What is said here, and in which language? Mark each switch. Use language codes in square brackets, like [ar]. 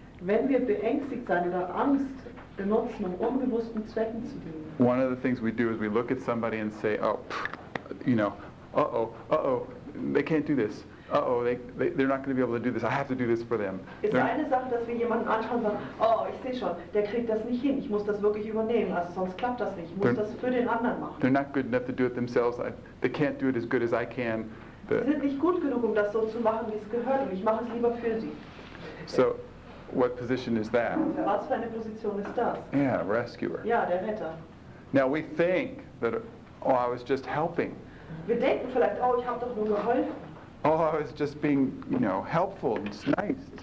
[de] wenn wir beängstigt sein oder Angst benutzen, um unbewussten Zwecken zu dienen, [en] one of the things we do is we look at somebody and say, oh, pff, you know, uh-oh, they can't do this. Uh-oh, they're not going to be able to do this. I have to do this for them. [de] Ist eine Sache, dass wir jemanden anschauen und sagen, oh, ich sehe schon, der kriegt das nicht hin. Ich muss das wirklich übernehmen. Also sonst klappt das nicht. Ich muss das für den anderen machen. [en] They're not good enough to do it themselves. They can't do it as good as I can. the [de] sind nicht gut genug, um das so zu machen, wie es gehört, und ich mache es lieber für sie. [en] So, what position is that? [de] Was für eine Position ist das? [en] Yeah, rescuer. [de] Ja, der Retter. [en] Now we think that, oh, I was just helping. [de] Wir denken vielleicht, oh, ich habe doch nur geholfen. [en] Oh, I was just being, you know, helpful. It's nice.